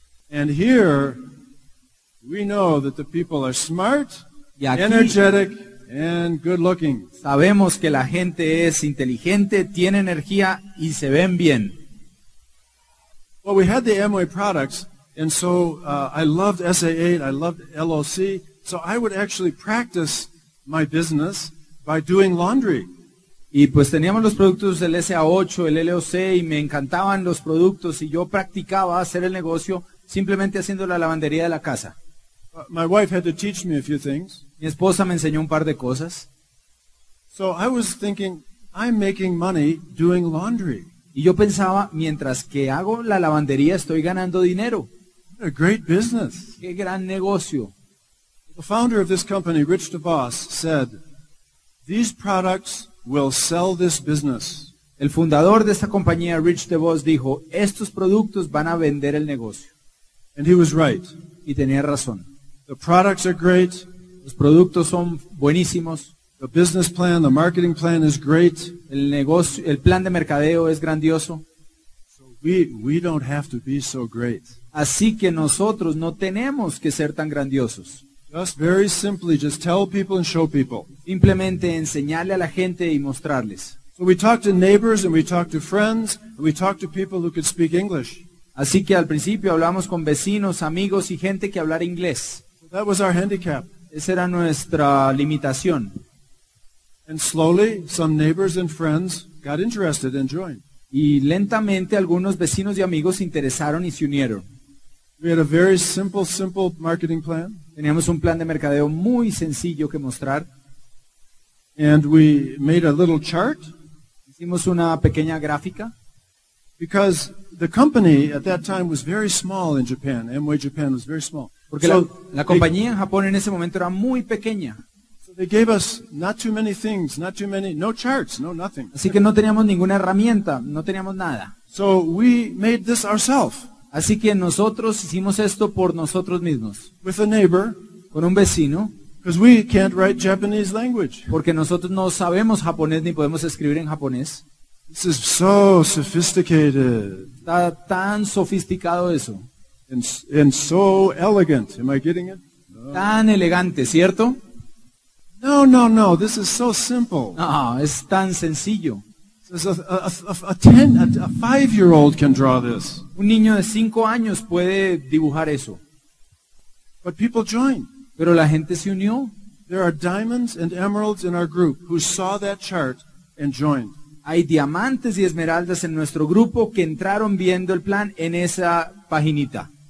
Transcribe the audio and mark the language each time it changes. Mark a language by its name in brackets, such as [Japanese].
[English] And here, we know that the people are smart, energetic, and good-looking. [Spanish] Sabemos que la gente es inteligente, tiene energía y se ven bien. [English] Well, we had the Amway products. And so I loved SA8, I loved LLC, so I would actually practice my business by doing laundry. [Spanish] Y pues teníamos los productos del SA8, el LOC, y me encantaban los productos, y yo practicaba hacer el negocio simplemente haciendo la lavandería de la casa. [English] My wife had to teach me a few things. [Spanish] Mi esposa me enseñó un par de cosas. [English] So I was thinking, I'm making money doing laundry. [Spanish] Y yo pensaba, mientras que hago la lavandería, estoy ganando dinero. [English] A great business. [Spanish] ¡Qué gran negocio! [English] The founder of this company, Rich DeVos, said, "These products will sell this business." [Spanish] El fundador de esta compañía, Rich DeVos, dijo, "Estos productos van a vender el negocio." [English] And he was right. [Spanish] Y tenía razón. [English] The products are great. [Spanish] Los productos son buenísimos. [English] The business plan, the marketing plan is great. [Spanish] El negocio, el plan de mercadeo es grandioso. [English] So we don't have to be so great. [Spanish] Así que nosotros no tenemos que ser tan grandiosos. [English] Just very simply, just tell people and show people. [Spanish] Simplemente enseñarle a la gente y mostrarles. [English] So we talked to neighbors and we talked to friends and we talked to people who could speak English. [Spanish] Así que al principio hablamos con vecinos, amigos y gente que hablara inglés. [English] So that was our handicap. [Spanish] Esa era nuestra limitación. [English] And slowly, some neighbors and friends got interested and joined. [Spanish] Y lentamente algunos vecinos y amigos se interesaron y se unieron. [English] We had a very simple marketing plan. [Spanish] Teníamos un plan de mercadeo muy sencillo que mostrar. [English] And we made a little chart. [Spanish] Hicimos una pequeña gráfica. [English] Because the company at that time was very small in Japan. Amway Japan was very small. [Spanish] Porque la compañía en Japón en ese momento era muy pequeña. [English] So they gave us not too many things, not too many, no charts, no nothing. [Spanish] Así que no teníamos ninguna herramienta, no teníamos nada. [English] So we made this ourselves. [Spanish] Así que nosotros hicimos esto por nosotros mismos. [English] With a neighbor, [Spanish] con un vecino. [English] Because we can't write Japanese language. [Spanish] Porque nosotros no sabemos japonés ni podemos escribir en japonés. [English] This is so sophisticated. [Spanish] Está tan sofisticado eso. [English] And so elegant. Am I getting it? [Spanish] No. Tan elegante, ¿cierto? [English] No. This is so simple. [Spanish] No, es tan sencillo. [English] A 5-year-old can draw this. [Spanish] Un niño de 5 años puede dibujar eso. [English] But people joined. [Spanish] Pero la gente se unió. [English] There are diamonds and emeralds in our group who saw that chart and joined. [Spanish] Hay diamantes y esmeraldas en nuestro grupo que entraron viendo el plan en esa paginita.